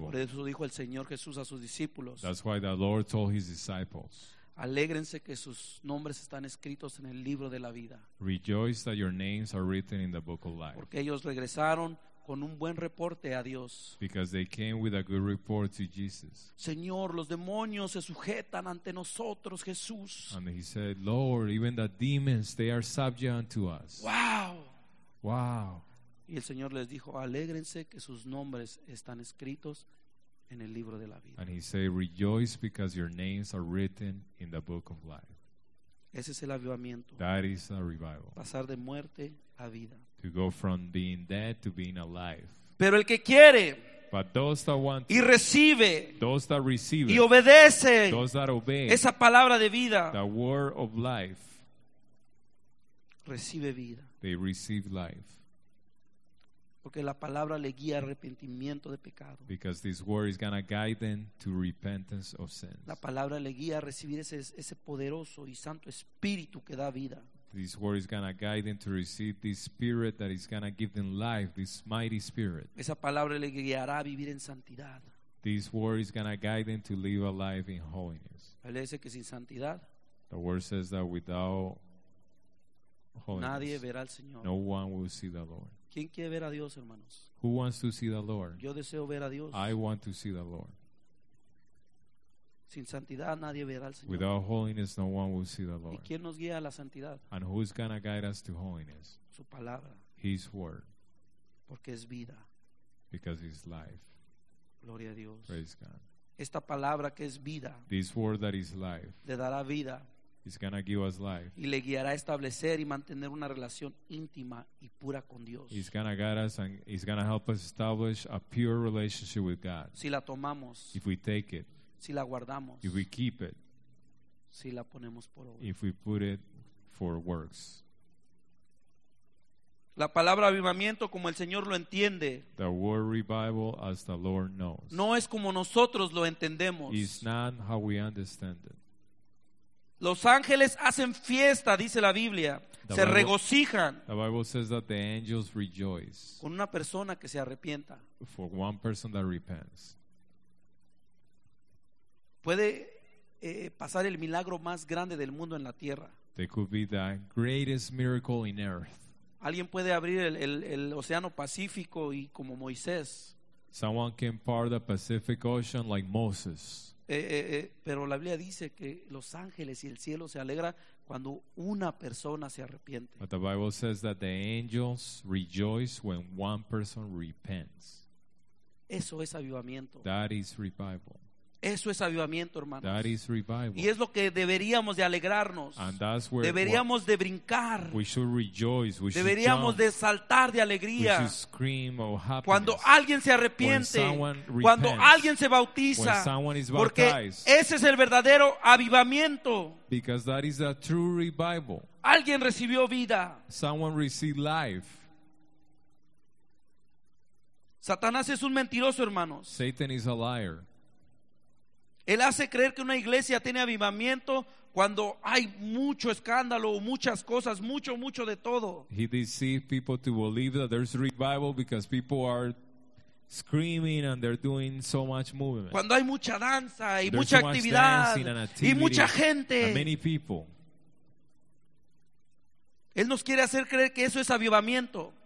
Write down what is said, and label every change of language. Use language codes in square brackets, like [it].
[es] Por eso dijo el Señor Jesús a sus discípulos. [en] That's why the Lord told his disciples. [es] Alégrense que sus nombres están escritos en el libro de la vida. [en] Rejoice that your names are written in the book of life. [es] Porque ellos regresaron con un buen reporte a Dios. [en] Because they came with a good report to Jesus. [es] Señor, los demonios se sujetan ante nosotros, Jesús. [en] And he said, Lord, even the demons, they are subject unto us. [es] Wow. [en] Wow. [es] Y el Señor les dijo, alégrense que sus nombres están escritos en el libro de la vida. [en] And he said, rejoice because your names are written in the book of life. [es] Ese es el avivamiento. [en] That is a revival. [es] Pasar de muerte a vida. [en] To go from being dead to being alive. [es] Pero el que quiere, [en] but those that want to, [es] y recibe, [en] those that receive, [es] y obedece, [en] those that obey, [es] esa palabra de vida, [en] the word of life, [es] recibe vida. [en] They receive life. [es] Porque la palabra le guía arrepentimiento de pecado. [en] Because this word is gonna guide them to repentance of sins. [es] La palabra le guía a recibir ese poderoso y santo espíritu que da vida. [en] This word is gonna guide them to receive this spirit that is gonna give them life, this mighty spirit. [es] Esa palabra le guiará a vivir en santidad. [en] This word is gonna guide them to live a life in holiness. [es] Él dice que sin santidad, [en] the word says that without holiness, [es] nadie verá al Señor. [en] No one will see the Lord. [es] ¿Quién quiere ver a Dios, hermanos? [en] Who wants to see the Lord? [es] Yo deseo ver a Dios. [en] I want to see the Lord. [es] Sin santidad nadie verá al Señor. [en] Without holiness, no one will see the Lord. [es] ¿Y quién nos guía a la santidad? [en] And who is going to guide us to holiness? [es] Su palabra. [en] His word. [es] Porque es vida. [en] Because it's life. [es] Gloria a Dios. [en] Praise God. [es] Esta palabra que es vida. [en] This word that is life. [es] Le dará vida. [en] It's going to give us life. [es] Y le guiará a establecer y mantener una relación íntima y pura con Dios. [en] It's going to guide us and it's going to help us establish a pure relationship with God. [es] Si la tomamos. [en] If we take it. [es] Si la guardamos. [en] If we keep it. [es] Si la ponemos por obra. [en] If we put it for works. [es] La palabra avivamiento como el Señor lo entiende. [en] The word revival as the Lord knows. [es] No es como nosotros lo entendemos. [en] It's not how we understand it. [es] Los ángeles hacen fiesta, dice la Biblia. Se regocijan. [en] The Bible says that the angels rejoice. [es] Con una persona que se arrepienta. [en] For one person that repents. [es] puede pasar el milagro más grande del mundo en la tierra. [en] There could be the greatest miracle in earth. [es] Alguien puede abrir el océano Pacífico y como Moisés. [en] Someone can part the Pacific Ocean like Moses. [es] Pero la Biblia dice que los ángeles y el cielo se alegra cuando una persona se arrepiente. [en] But the Bible says that the angels rejoice when one person repents. [es] Eso es avivamiento. [en] That is revival. [es] Eso es avivamiento, hermanos. [en] That is revival. [es] Y es lo que deberíamos de alegrarnos. [en] And that's where [es] deberíamos de brincar. [en] We should rejoice. We [es] deberíamos [en] should [es] de saltar de alegría. [en] We should scream of happiness. [es] Cuando alguien se arrepiente. [en] When someone repents. [es] Cuando alguien se bautiza. [en] When someone is [es] porque [en] baptized. [es] Ese es el verdadero avivamiento. [en] Because that is a true revival. [es] Alguien recibió vida. [en] Someone received life. [es] Satanás es un mentiroso, hermanos. [en] Satan is a liar. [es] Él hace creer que una iglesia tiene avivamiento cuando hay mucho escándalo, muchas cosas, mucho, mucho de todo. [en] He deceives people to believe that there's revival because people are screaming and they're doing so much movement. [es] Cuando hay mucha danza y mucha actividad y mucha gente. [en] And many people. [es] Él nos quiere hacer creer que eso es avivamiento.